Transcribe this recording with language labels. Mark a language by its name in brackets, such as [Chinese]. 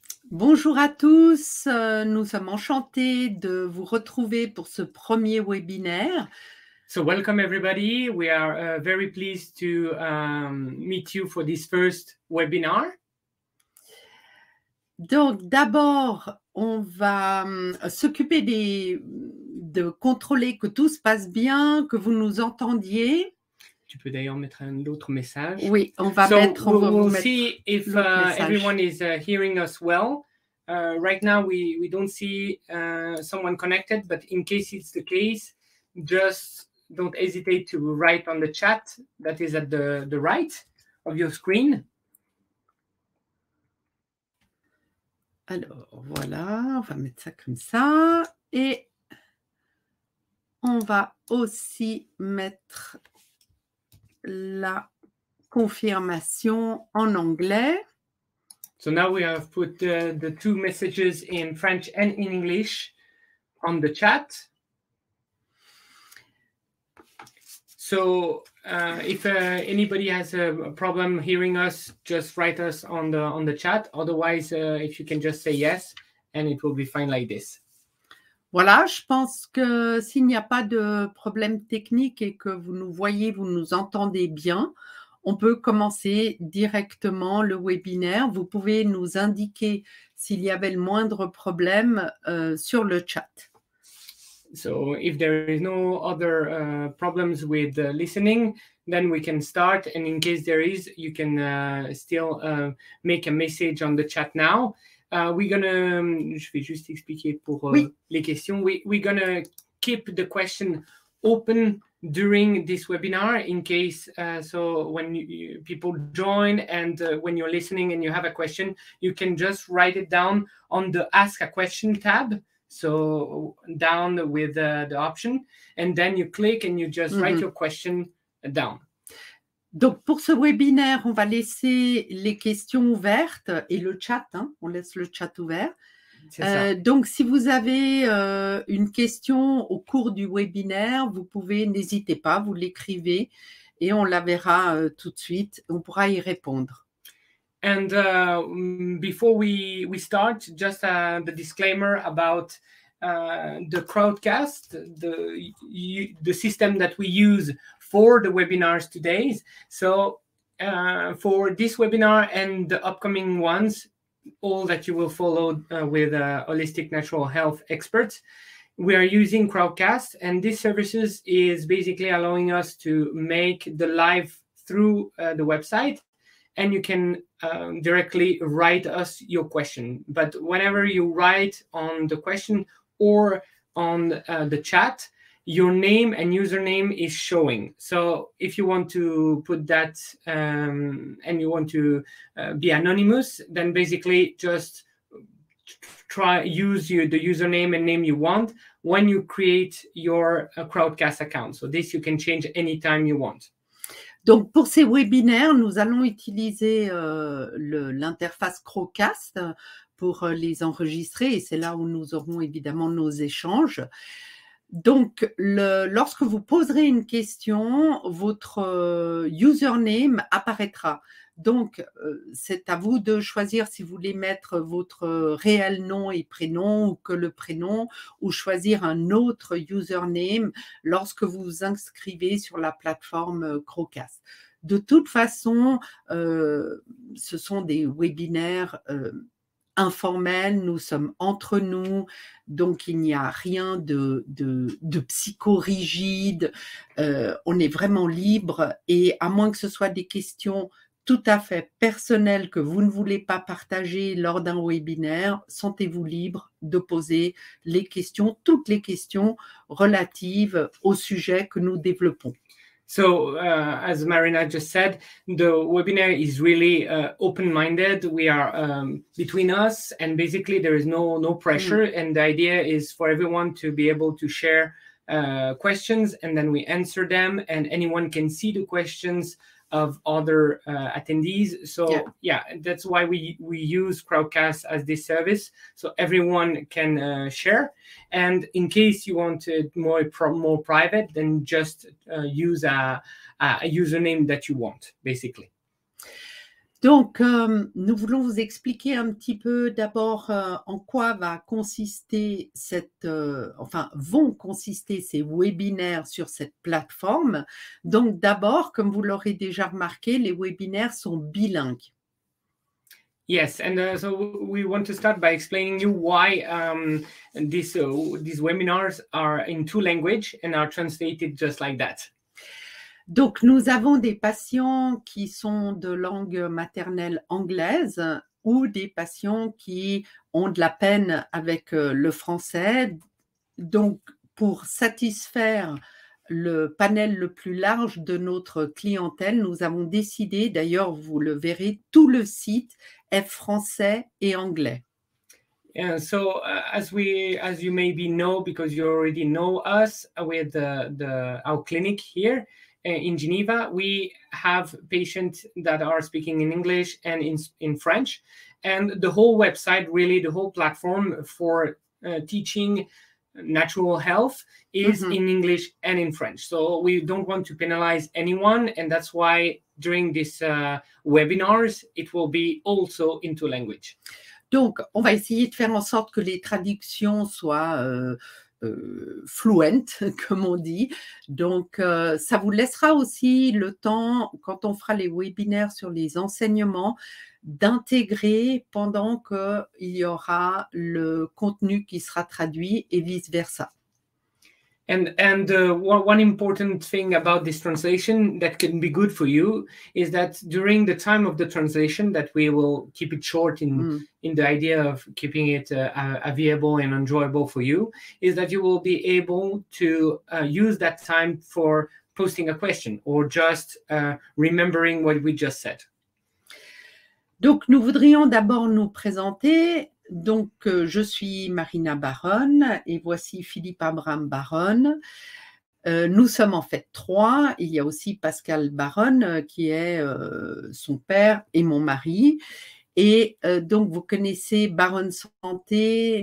[French] Bonjour à tous, nous sommes enchantés de vous retrouver pour ce premier webinaire. [English] So welcome everybody. We are very pleased to meet you for this first webinar. [French] Donc d'abord, on va s'occuper de contrôler que tout se passe bien, que vous nous entendiez. Tu peux d'ailleurs mettre un autre message. Oui, on va [English] see if everyone is hearing us well. Right now, we don't see someone connected, but in case it's the case, just don't hesitate to write on the chat that is at the right of your screen. [French] Alors, voilà, on va mettre ça comme ça. Et on va aussi mettre la confirmation en anglais. [English] So now we have put the two messages in French and in English on the chat. So if anybody has a problem hearing us, just write us on the chat. Otherwise, if you can just say yes, and it will be fine like this. [French] Voilà, je pense que s'il n'y a pas de problème technique et que vous nous voyez, vous nous entendez bien, on peut commencer directement le webinaire. Vous pouvez nous indiquer s'il y avait le moindre problème sur le chat. [English] So, if there is no other problems with listening, then we can start. And in case there is, you can still make a message on the chat now. [French] Je vais juste expliquer pour oui. Les questions. [English] We're going to keep the question open during this webinar in case, so when you people join and when you're listening and you have a question, you can just write it down on the Ask a Question tab. So down with the option, and then you click and you just write your question down. [French] Donc, pour ce webinaire, on va laisser les questions ouvertes et le chat, hein, on laisse le chat ouvert. Donc, si vous avez une question au cours du webinaire, vous pouvez, n'hésitez pas, vous l'écrivez et on la verra tout de suite, on pourra y répondre. [English] And before we start, just the disclaimer about the Crowdcast, the system that we use for the webinars today. So for this webinar and the upcoming ones, all that you will follow with Holistic Natural Health Experts, we are using Crowdcast, and this services is basically allowing us to make the live through the website, and you can directly write us your question. But whenever you write on the question or on the chat, your name and username is showing. So if you want to put that and you want to be anonymous, then basically just use the username and name you want when you create your Crowdcast account. So this you can change anytime you want. [French] Donc pour ces webinaires, nous allons utiliser l'interface Crowdcast pour les enregistrer et c'est là où nous aurons évidemment nos échanges. Donc, lorsque vous poserez une question, votre username apparaîtra. Donc, c'est à vous de choisir si vous voulez mettre votre réel nom et prénom ou que le prénom, ou choisir un autre username lorsque vous vous inscrivez sur la plateforme Crowdcast. De toute façon, ce sont des webinaires informel, nous sommes entre nous, donc il n'y a rien de psychorigide, on est vraiment libre et à moins que ce soit des questions tout à fait personnelles que vous ne voulez pas partager lors d'un webinaire, sentez-vous libre de poser les questions, toutes les questions relatives au sujet que nous développons. [English] So, as Marina just said, the webinar is really open-minded. We are between us, and basically there is no pressure. And the idea is for everyone to be able to share questions, and then we answer them, and anyone can see the questions of other attendees. So, yeah, that's why we use Crowdcast as this service, so everyone can share. And in case you want it more private, then just use a username that you want, basically. [French] Donc, nous voulons vous expliquer un petit peu d'abord en quoi va consister vont consister ces webinaires sur cette plateforme. Donc, d'abord, comme vous l'aurez déjà remarqué, les webinaires sont bilingues. [English] Yes, and so we want to start by explaining you why these webinars are in two languages and are translated just like that. [French] Donc, nous avons des patients qui sont de langue maternelle anglaise ou des patients qui ont de la peine avec le français. Donc, pour satisfaire le panel le plus large de notre clientèle, nous avons décidé, d'ailleurs, vous le verrez, tout le site est français et anglais. [English] And so, as you maybe know, because you already know us with our clinic here, in Geneva, we have patients that are speaking in English and in French. And the whole website, really the whole platform for teaching natural health is mm-hmm. in English and in French. So we don't want to penalize anyone. And that's why during these webinars, it will be also in two languages. [French] Donc, on va essayer de faire en sorte que les traductions soient fluent, comme on dit. Donc, ça vous laissera aussi le temps, quand on fera les webinaires sur les enseignements, d'intégrer pendant qu'il y aura le contenu qui sera traduit et vice-versa. [English] One important thing about this translation that can be good for you is that during the time of the translation, that we will keep it short in the idea of keeping it available and enjoyable for you, is that you will be able to use that time for posting a question or just remembering what we just said. [French] Donc, nous voudrions d'abord nous présenter. Donc, je suis Marina Baron et voici Philippe Abraham Baron. Nous sommes en fait trois. Il y a aussi Pascal Baron qui est son père et mon mari. Et donc, vous connaissez Baron Santé.